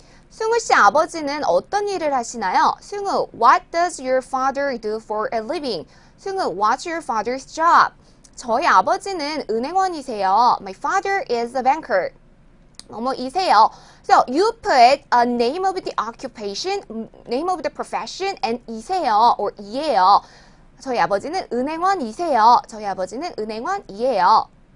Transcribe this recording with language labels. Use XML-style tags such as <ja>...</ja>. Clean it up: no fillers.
<ko>승우 씨 아버지는 어떤 일을 하시나요?</ko> <en>승우, what does your father do for a living? 승우, what's your father's job?</en> <ko>저희 아버지는 은행원이세요.</ko> <en>My father is a banker.</en> <ko>뭐뭐이세요.</ko> <en>So you put a name of the occupation, name of the profession, and</en> <ko>이세요</ko> <en>or</en> <ko>이에요. 저희 아버지는 은행원이세요. 저희 아버지는 은행원이에요.</ko>